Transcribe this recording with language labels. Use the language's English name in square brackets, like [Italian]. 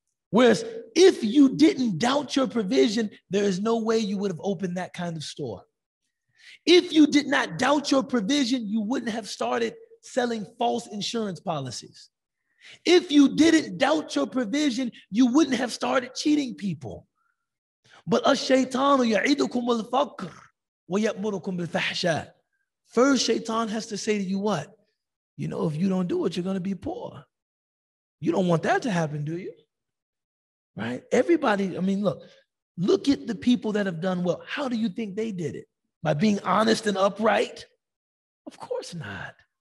[English] Whereas if you didn't doubt your provision, there is no way you would have opened that kind of store. If you did not doubt your provision, you wouldn't have started selling false insurance policies. If you didn't doubt your provision, you wouldn't have started cheating people. But [Arabic] الشيطان يعيدكم الفقر ويأمركم بالفحشاء. [English] First, Shaitan has to say to you what? You know, if you don't do it, you're going to be poor. You don't want that to happen, do you? Right? Everybody, look at the people that have done well. How do you think they did it? By being honest and upright? Of course not.